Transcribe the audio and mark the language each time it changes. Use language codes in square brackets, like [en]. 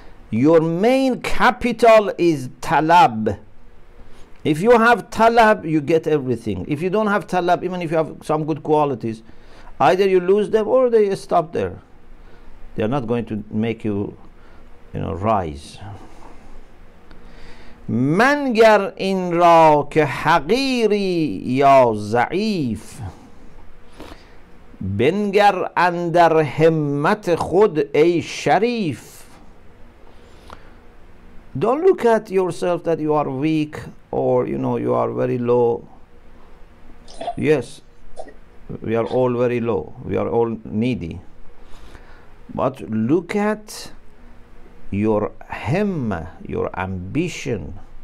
[en] Your main capital is talab. If you have talab, you get everything. If you don't have talab, even if you have some good qualities, either you lose them or they stop there. They are not going to make you, you know, rise. [fa] من گر این را که حقیری یا ضعیف بنگر اندر همت خود ای شریف. [en] Don't look at yourself that you are weak or, you know, you are very low. Yes, we are all very low. We are all needy. But look at your himmah, your ambition.